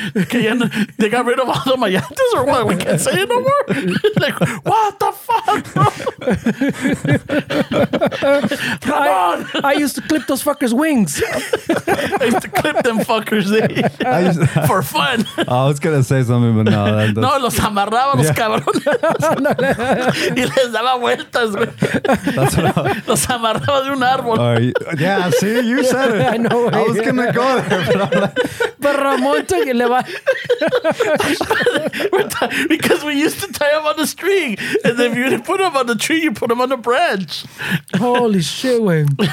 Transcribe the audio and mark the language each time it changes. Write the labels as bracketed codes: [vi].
[en] they got rid of all the Mayantes or what? We can't say it no more? Like, what the fuck, bro? Come on. I used to clip those fuckers' wings. I used to clip them fuckers. For fun. I was going to say something, but no. [es] No, los amarraba los cabrones. Y les daba vueltas, güey. [en] That's what I... [es] Los amarraba de un árbol. [en] Yeah, see, you said it. I know. I was going to go there, but I'm like... But Ramón took it. Because we used to tie them on the string. And if you didn't put them on the tree, you put them on the branch. Holy shit, man.